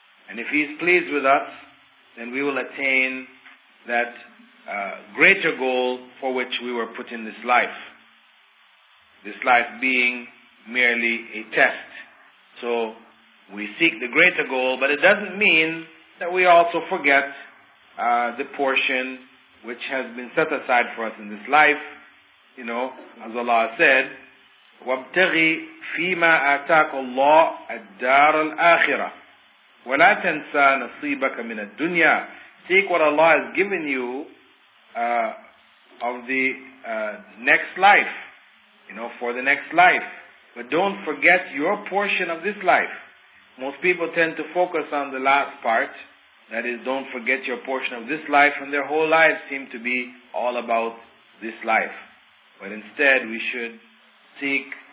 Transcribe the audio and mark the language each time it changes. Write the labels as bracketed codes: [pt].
[en] And if He is pleased with us, then we will attain that greater goal for which we were put in this life. This life being merely a test. So we seek the greater goal, but it doesn't mean that we also forget the portion which has been set aside for us in this life. You know, as Allah said, [ar] وَابْتَغِي فِيمَا آتَاكُ اللَّهُ الدَّارَ الْآخِرَةِ وَلَا تَنْسَى نَصِيبَكَ مِنَ الدُّنْيَا. [en] Seek what Allah has given you of the next life, you know, for the next life. But don't forget your portion of this life. Most people tend to focus on the last part. That is, don't forget your portion of this life, and their whole lives seem to be all about this life. But instead, we should seek